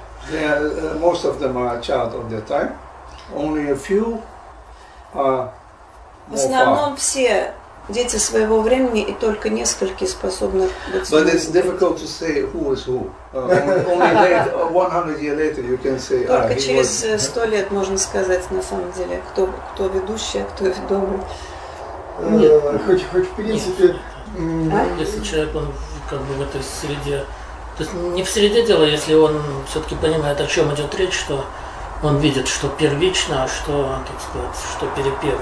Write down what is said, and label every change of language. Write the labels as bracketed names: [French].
[English] Most of them are child of their time. Only a few are. [Russian] В основном все дети своего времени, и только нескольких способны быть. [English] But it's difficult to say who is who. Only later, 100 years later, you can say. [Russian] Только через 100 лет можно сказать на самом деле, кто ведущий, кто ведомый. Хоть в принципе, если человек он как бы в этой среде. То есть не в среде дела, если он все-таки понимает, о чем идет речь, что он видит, что первично, а что, так сказать, что перепево.